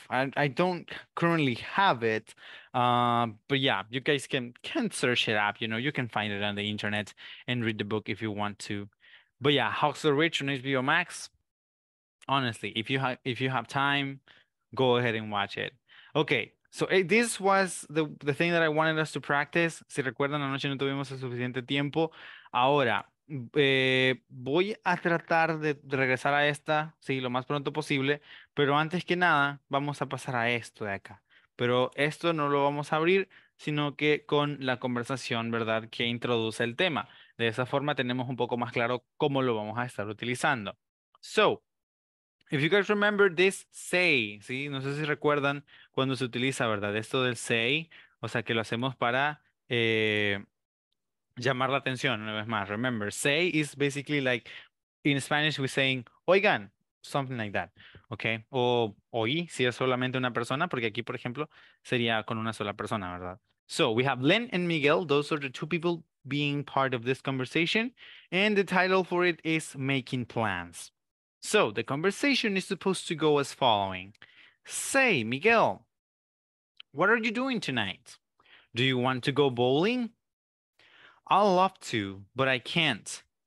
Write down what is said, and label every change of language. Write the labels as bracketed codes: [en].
[en] I don't currently have it, but yeah, you guys can search it up, you know, you can find it on the internet and read the book if you want to. But yeah, Hacksaw Ridge on HBO Max. Honestly, if you have time, go ahead and watch it. Okay. So this was the thing that I wanted us to practice. [es] Si recuerdan, anoche no tuvimos el suficiente tiempo. Ahora, voy a tratar de regresar a esta, sí, lo más pronto posible. Pero antes que nada, vamos a pasar a esto de acá. Pero esto no lo vamos a abrir, sino que con la conversación, ¿verdad?, que introduce el tema. De esa forma tenemos un poco más claro cómo lo vamos a estar utilizando. [en] So, if you guys remember this say, [es] ¿sí? No sé si recuerdan cuando se utiliza, ¿verdad? Esto del say, o sea, que lo hacemos para llamar la atención una vez más. [en] Remember, say is basically like, in Spanish we're saying, oigan, something like that, okay? [es] O oí, si es solamente una persona, porque aquí, por ejemplo, sería con una sola persona, ¿verdad? [en] So, we have Len and Miguel, those are the two people being part of this conversation, and the title for it is Making Plans. So the conversation is supposed to go as following. Say, Miguel, what are you doing tonight? Do you want to go bowling? I'll love to, but I can't.